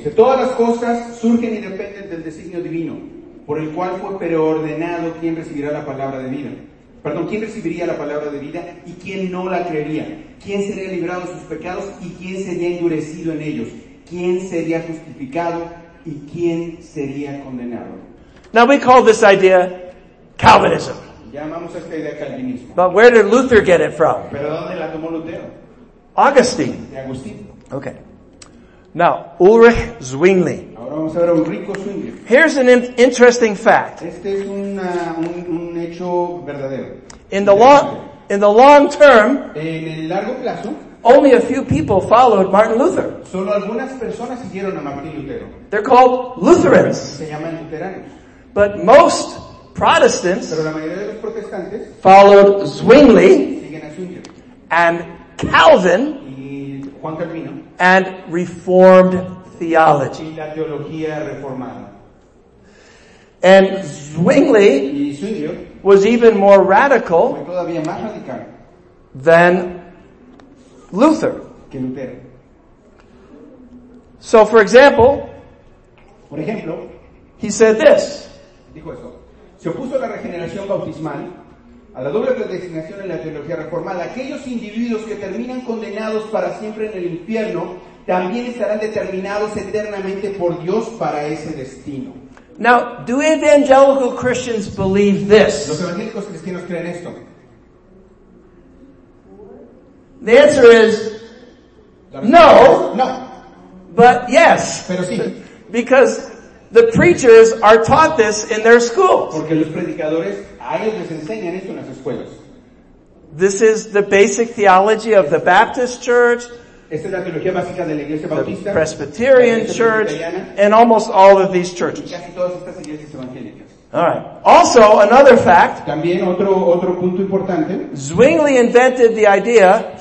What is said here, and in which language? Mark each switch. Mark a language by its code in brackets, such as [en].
[es] Okay, todas las cosas surgen y dependen del designio divino, por el cual fue preordenado quien recibirá la palabra de vida. Perdón, ¿quién recibiría la palabra de vida y quién no la creería? ¿Quién sería librado de sus pecados y quién sería endurecido en ellos? ¿Quién sería justificado y quién sería condenado? [en] Now we call this idea Calvinism. [es] Llamamos esta idea calvinismo. [en] But where did Luther get it from? [es] ¿Pero dónde la tomó Lutero? [en] Augustine. [es] De Agustín. [en] Okay. Now, Ulrich Zwingli. [es] Ahora vamos a ver a Ulrich Zwingli. [en] Here's an interesting fact. [es] Este es un hecho verdadero. [en] In the long term, [es] en el largo plazo, [en] only a few people followed Martin Luther. [es] Solo algunas personas siguieron a Martin Lutero. [en] They're called Lutherans. [es] Se llaman luteranos. [en] But most Protestants, [es] pero la mayoría de los protestantes, [en] followed Zwingli, [es] siguen a Zwingli [en] and Calvin. [es] Juan Calvino. [en] And Reformed theology. [es] Y la teología reformada. [en] And Zwingli [es] y Zwingli [en] was even more radical, [es] fue todavía más radical [en] than Luther. [es] Que Lutero. [en] So, for example, [es] por ejemplo, [en] he said this. [es] Dijo eso. Se opuso a la regeneración bautismal. A la doble predestinación en la teología reformada, aquellos individuos que terminan condenados para siempre en el infierno también estarán determinados eternamente por Dios para ese destino. [en] Now, do evangelical Christians believe this? [es] ¿Los evangélicos cristianos creen esto? [en] The answer is no. [es] No. [en] But yes. [es] Pero sí. [en] Because the preachers are taught this in their schools. [es] Porque los predicadores a ellos les enseñan esto en las escuelas. [en] This is the basic theology of the Baptist Church. [es] Esta es la teología básica de la Iglesia Bautista. [en] The Presbyterian Church and almost all of these churches. [es] Y casi todas estas iglesias evangélicas. [en] All right. Also, another fact. [es] También otro punto importante. [en] Zwingli invented the idea.